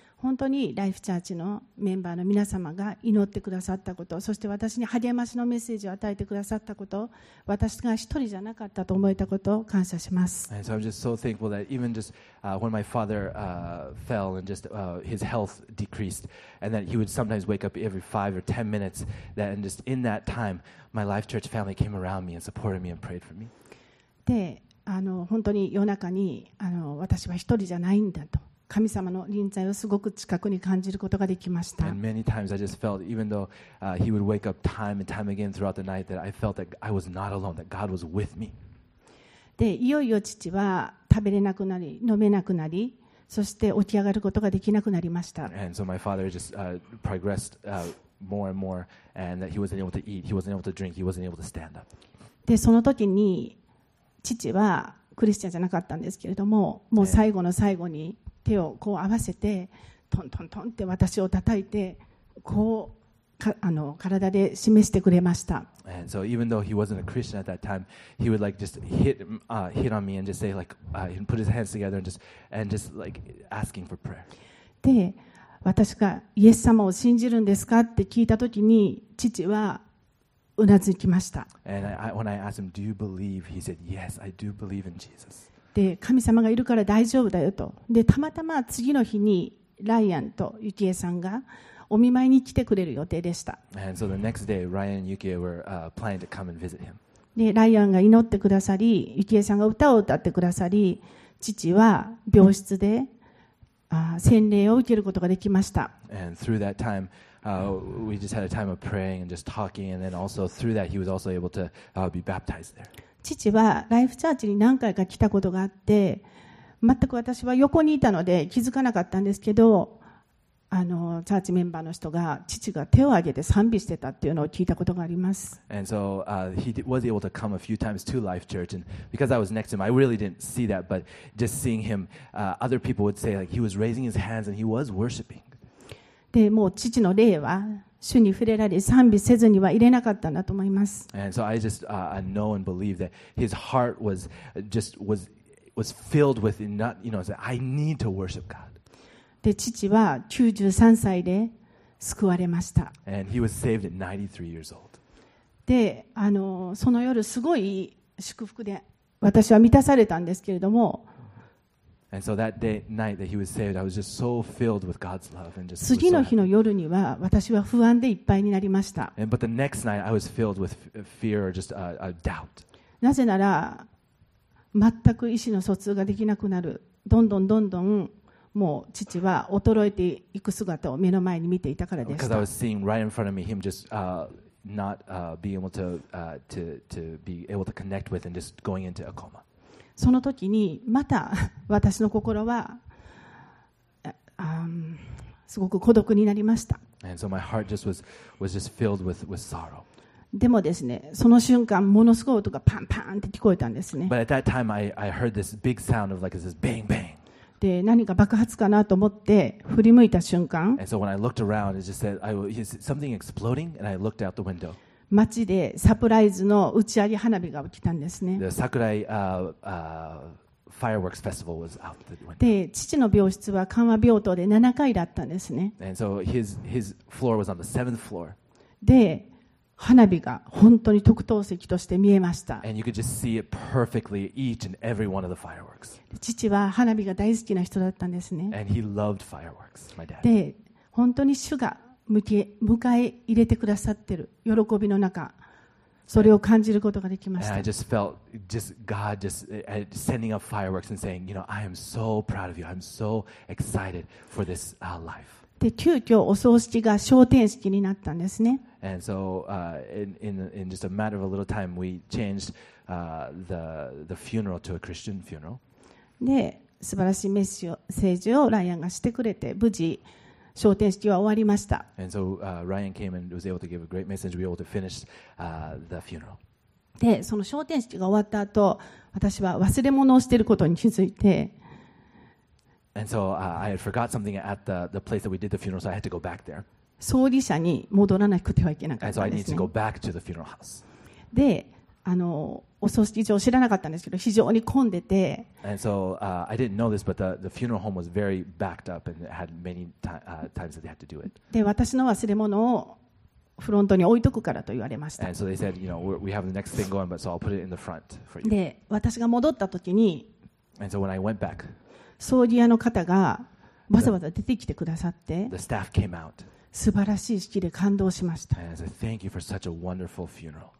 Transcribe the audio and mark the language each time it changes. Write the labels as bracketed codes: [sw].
[ja] 本当にライフチャーチのメンバーの皆様が祈ってくださったこと、そして私に励ましのメッセージを与えてくださったこと、私が一人じゃなかったと思えたことを感謝します。 [en] And so I'm just so thankful that even just、when my father、fell and just、his health decreased and that he would sometimes wake up every 5 or 10 minutes that and just in that time my life church family came around me and supported me and prayed for me。 [ja] で、本当に夜中に私は一人じゃないんだと神様の臨在をすごく近くに感じることができました。 [en] And many times I just felt, even though he would wake up time and time again throughout the night, that I felt that I was not alone, that God was with me. [ja] で、いよいよ父は食べれなくなり、飲めなくなり、そして起き上がることができなくなりました。 [en] And so my father just progressed more and more, and that he wasn't able to eat, he wasn't able to drink, he wasn't able to stand up. [ja] で、その時に父はクリスチャンじゃなかったんですけれども、もう最後の最後に手をこう合わせてトントントンって私を叩いてこう体で示してくれました。 [en] And so even though he wasn't a Christian at that time, he would like just hit on me and just say like and put his hands together and just like asking for prayer. [ja] で、私がイエス様を信じるんですかって聞いた時に父はうなずきました。 [en] And when I asked him, "Do you believe?" He said, "Yes, I do believe in Jesus." [ja] で、神様がいるから大丈夫だよと。で、たまたま次の日にライアンとユキエさんがお見舞いに来てくれる予定でした。 [en] And so the next day, Ryan and Yukie were planning to come and visit him. [ja] で、ライアンが祈ってくださり、ユキエさんが歌を歌ってくださり、父は病室で洗礼を受けることができました。 [en] And through that time,we just had a time of praying and just talking, and then also through that, he was also able to be baptized there. [ja] 父はライフチャーチに何回か来たことがあって、全く私は横にいたので気づかなかったんですけど、チャーチメンバーの人が父が手を挙げて賛美してたっていうのを聞いたことがあります。 [en] And so he was able to come a few times to Life Church, and because I was next to him, I really didn't see that, but just seeing him, other people would say like he was raising his hands and he was worshiping. [ja] でもう父の霊は主に触れられ賛美せずにはいれなかったんだと思います。 [en] And so I just I know and believe that his heart was just was filled with not you know I need to worship God. [ja] で父は93歳で救われました。 [en] And he was saved at 93 years old. [ja] でその夜すごい祝福で私は満たされたんですけれども。 [en] And so that day, night that he was saved, I was just so filled with God's love and just. [ja] 次の日の夜には私は不安でいっぱいになりました。 [en] And but the next night, I was filled with fear or just a doubt. [ja] なぜなら全く意思の疎通ができなくなる。どんどんどんどんもう父は衰えていく姿を目の前に見ていたからでした。 [en] Because I was seeing right in front of me him just not being able to to be able to connect with and just going into a coma. [ja] その時にまた私の心はすごく孤独になりました。 [en] And so my heart just was just filled with sorrow. [ja] でもですね、その瞬間ものすごい音がパンパンって聞こえたんですね。 [en] But at that time I heard this big sound of like this bang bang. [ja] で何か爆発かなと思って振り向いた瞬間。 [en] And so when I looked around, it just said is something exploding, and I looked out the window. [ja] 街でサプライズの打ち上げ花火が起きたんですね。 [en] The Sakurai Fireworks Festival was out the window. [ja] で、父の病室は緩和病棟で7階だったんですね。 [en] And so his floor was on the seventh floor. [ja] で、花火が本当に特等席として見えました。 [en] And you could just see it perfectly, each and every one of the fireworks. [ja] 父は花火が大好きな人だったんですね。 [en] And he loved fireworks, my dad. [ja] で、本当に主が迎え入れてくださってる喜びの中それを感じることができました。 [en] And I just felt just God just sending up fireworks and saying, you know, I am so proud of you. I'm so excited for this life. [ja] で、急遽お葬式が昇天式になったんですね。 [en] And so in just a matter of a little time, we changed the funeral to a Christian funeral. [ja] で、素晴らしいメッセージをライアンがしてくれて無事昇天式は終わりました。 [en] And so, Ryan came and was able to give a great message. We were able to finish, the funeral. [ja] で、その昇天式が終わった後、私は忘れ物をしていることに気づいて。 [en] And so, I had forgot something at the place that we did the funeral, so I had to go back there. [ja] 葬儀社に戻らなくてはいけなかったですね。 [en] And so I need to go back to the funeral house. で、 [ja] あのお葬式場知らなかったんですけど非常に混んでて [en] And so, I didn't know this, but the funeral home was very backed up and it had many times that they had to do it. [ja] で私の忘れ物をフロントに置いとくからと言われました [en] And so they said, you know, we have the next thing going, but so I'll put it in the front for you. [ja] で私が戻った時に [en] And so when I went back, [ja] 葬儀屋の方がわざわざ出てきてくださって [en] the staff came out. [ja] 素晴らしい式で感動しました [en] And I said, thank you for such a wonderful funeral.